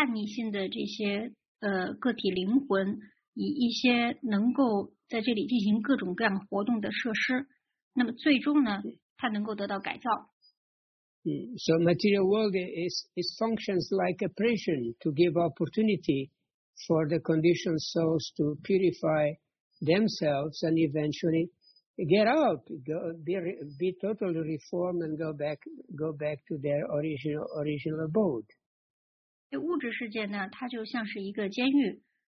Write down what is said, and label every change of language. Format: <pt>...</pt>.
<zh>那么其实呢，是为了要给这些想要独立的、有叛逆性的这些个体灵魂。以一些能够在这里进行各种各样活动的设施，那么最终呢，它能够得到改造。</zh> <en>So material world is functions like a prison to give opportunity for the conditioned souls to purify themselves and eventually get out, be totally reformed and go back to their original abode.</en> <zh>物质世界呢，它就像是一个监狱。</zh>